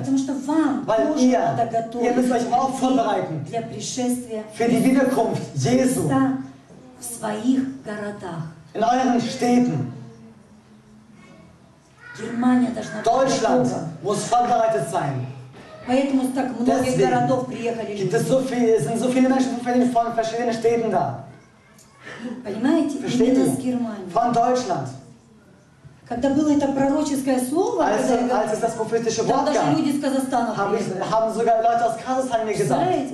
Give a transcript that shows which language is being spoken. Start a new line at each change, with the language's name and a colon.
Russian: потому что вам,
German: weil
Russian: тоже
German: ihr,
Russian: надо готовить,
German: ihr müsst euch auch vorbereiten,
Russian: для пришествия,
German: für die Wiederkunft Jesu,
Russian: в своих городах,
German: in euren Städten.
Russian: Германия должна быть
German: Deutschland muss vorbereitet sein.
Russian: Поэтому так много городов приехали.
German: Это so viele, sind so viele Menschen von verschiedenen Städten da.
Russian: Понимаете?
German: Versteht
Russian: именно из Германии.
German: Von Deutschland.
Russian: Когда было это пророческое слово, когда люди из Казахстана
German: приехали, haben sogar Leute aus Kasachstan mir gesagt.